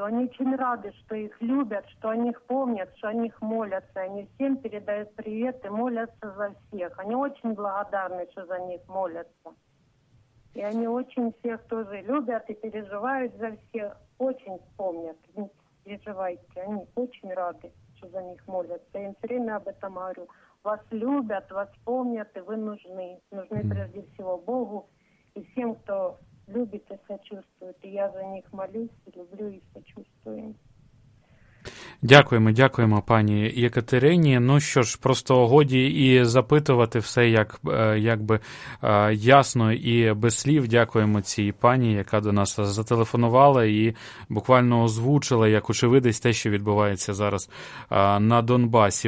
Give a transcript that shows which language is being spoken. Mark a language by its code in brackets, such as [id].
[uk] Вони дуже раді, що їх люблять, що о них пам'ятають, що о них моляться. Вони всім передають привіт і моляться за всіх. Вони дуже благодарні, що за них моляться. І вони дуже всіх теж люблять і переживають за всіх. Дуже пам'ятають. Не переживайте. Вони дуже раді, що за них моляться. [ru] Я їм все время об этом говорю. Вас любят, вас помнят, и вы нужны. Нужны прежде всего Богу и всем, кто любит и сочувствует. И я за них молюсь, люблю и сочувствую. [uk] Дякуємо, дякуємо, пані Екатерині. Ну що ж, просто годі і запитувати все, як якби ясно і без слів. Дякуємо цій пані, яка до нас зателефонувала і буквально озвучила, як очевидець, те, що відбувається зараз на Донбасі.